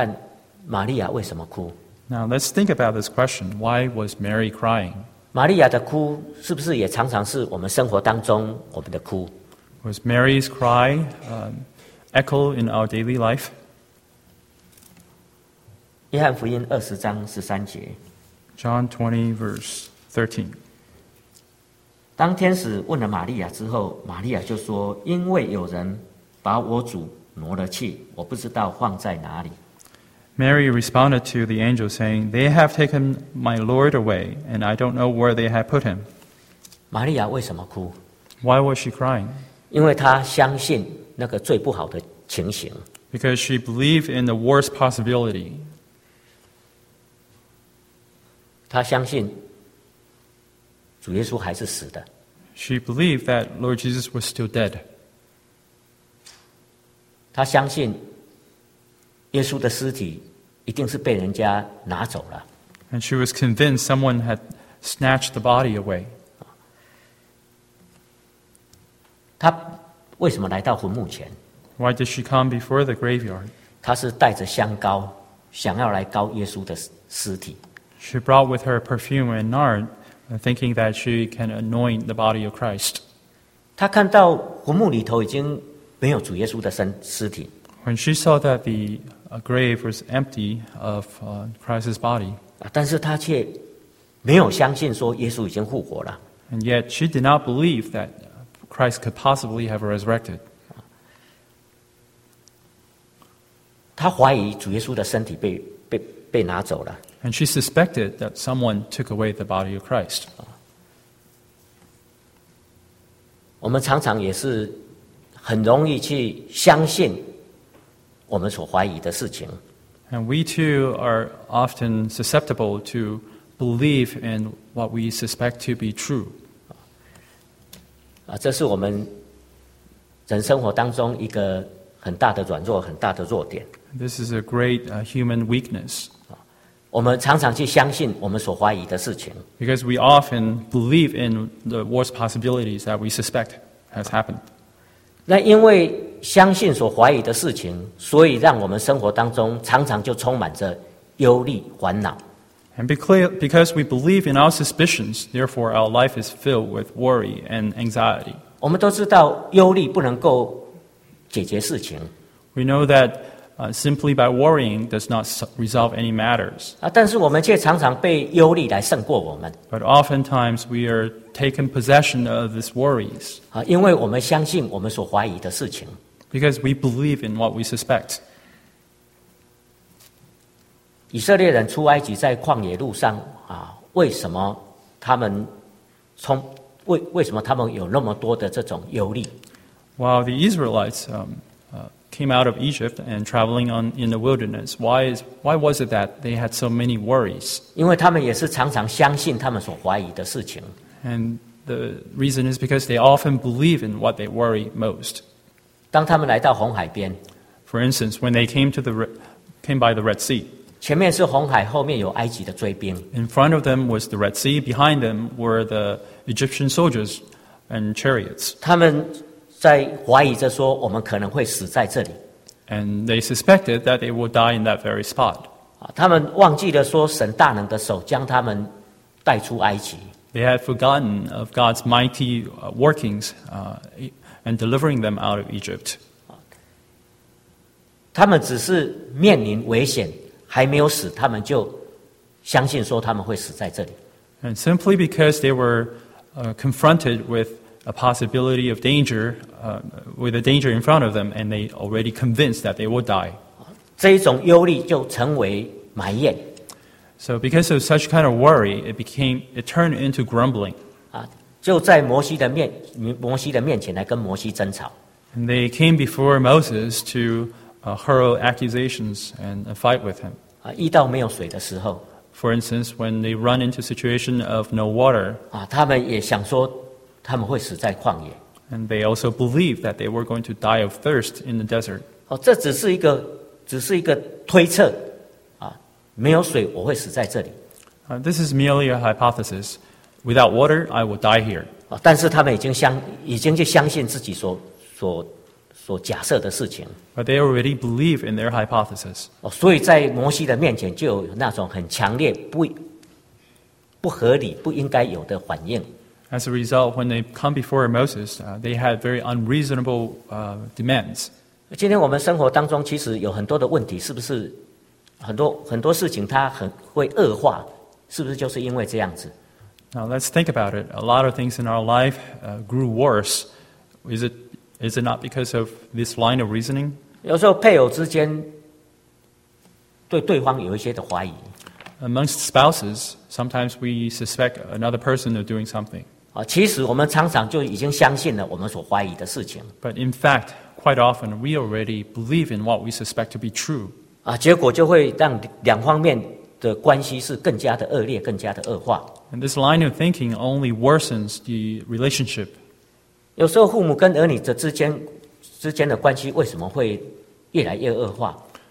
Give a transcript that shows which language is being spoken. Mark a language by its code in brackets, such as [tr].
[zh] 我们来想想看，玛利亚为什么哭？ [en] Now let's think about this question. Why was Mary crying? [zh] 玛利亚的哭是不是也常常是我们生活当中我们的哭？ [en] Was Mary's cry echo in our daily life? [zh] 约翰福音20章13节。 [en] John 20 verse 13. [zh] 当天使问了玛利亚之后，玛利亚就说：“因为有人把我主挪了去，我不知道放在哪里。 [en] Mary responded to the angel, saying, "They have taken my Lord away, and I don't know where they have put him." [zh] 玛利亚为什么哭 [en] ？Why was she crying? [zh] 因为她相信那个最不好的情形。 [en] Because she believed in the worst possibility. [zh] 她相信主耶稣还是死的。 [en] She believed that Lord Jesus was still dead. [zh] 她相信耶稣的尸体一定是被人家拿走了。 [en] And she was convinced someone had snatched the body away. [zh] 她为什么来到坟墓前？ [en] Why did she come before the graveyard? [zh] 她是带着香膏，想要来膏耶稣的尸体。 [en] She brought with her perfume and nard, thinking that she can anoint the body of Christ. [zh] 她看到坟墓里头已经没有主耶稣的尸体。 [en] When she saw that the grave was empty of Christ's body, [zh] 但是她却没有相信说耶稣已经复活了。 [en] And yet she did not believe that Christ could possibly have resurrected. [zh] 她怀疑主耶稣的身体被拿走了。 [en] And she suspected that someone took away the body of Christ. [zh] 我们常常也是很容易去相信我们所怀疑的事情。 [en] And we too are often susceptible to believe in what we suspect to be true. [zh] 这是我们人生活当中一个很大的软弱，很大的弱点。 [en] This is a great human weakness. [zh] 我们常常去相信我们所怀疑的事情。 [en] Because we often believe in the worst possibilities that we suspect has happened. [zh] 那因为相信所怀疑的事情，所以让我们生活当中常常就充满着忧虑烦恼。 [en] And because we believe in our suspicions, therefore our life is filled with worry and anxiety. [zh] 我们都知道忧虑不能够解决事情。 [en] We know that simply by worrying does not resolve any matters. [zh] 但是我们却常常被忧虑来胜过我们。 [en] But oftentimes we are taken possession of these worries. [zh] 因为我们相信我们所怀疑的事情。 [en] Because we believe in what we suspect. [zh] 以色列人出埃及在旷野路上啊，为什么他们有那么多的这种忧虑？ [en] While the Israelites came out of Egypt and traveling on in the wilderness, why was it that they had so many worries? [zh] 因为他们也是常常相信他们所怀疑的事情。 [en] And the reason is because they often believe in what they worry most. [zh] 当他们来到红海边 [en] ，For instance, when they came by the Red Sea. [zh] 前面是红海，后面有埃及的追兵。 [en] In front of them was the Red Sea. Behind them were the Egyptian soldiers and chariots. [zh] 他们在怀疑着说我们可能会死在这里。 [en] And they suspected that they would die in that very spot. [zh] 他们忘记了说神大能的手将他们带出埃及。 [en] They had forgotten of God's mighty workings and delivering them out of Egypt. [zh] 他们只是面临危险，还没有死，他们就相信说他们会死在这里。 [en] And simply because they were confronted with a possibility of danger, with a danger in front of them, and they already convinced that they will die. [zh] 这一种忧虑就成为埋怨。 [en] So because of such kind of worry, it turned into grumbling. [zh] 就在摩西的面前来跟摩西争吵。 [en] And they came before Moses to hurl accusations and fight with him. [zh] 遇到没有水的时候。 [en] For instance, when they run into a situation of no water. [zh] 他们也想说他们会死在旷野。 [en] And they also believed that they were going to die of thirst in the desert. [zh] 这只是一个推测，没有水我会死在这里。 [en] This is merely a hypothesis. Without water, I will die here. [zh] 但是他们已经就相信自己所假设的事情。 [en] But they already believe in their hypothesis. [zh] 所以在摩西的面前就有那种很强烈不合理不应该有的反应。 [en] As a result, when they come before Moses, they had very unreasonable demands. [zh] 今天我们生活当中其实有很多的问题，是不是很多事情它很会恶化，是不是就是因为这样子？ [en] Now let's think about it. A lot of things in our life grew worse. Is it not because of this line of reasoning? [zh] 有时候配偶之间对对方有一些的怀疑。 [en] Amongst spouses, sometimes we suspect another person of doing something. [zh] 其实我们常常就已经相信了我们所怀疑的事情。 [en] But in fact, quite often we already believe in what we suspect to be true. [zh] 结果就会让两方面的关系是更加的恶劣，更加的恶化。 [en] And this line of thinking only worsens the relationship. [zh] 有时候父母跟儿女的之间的关系为什么会越来越恶化？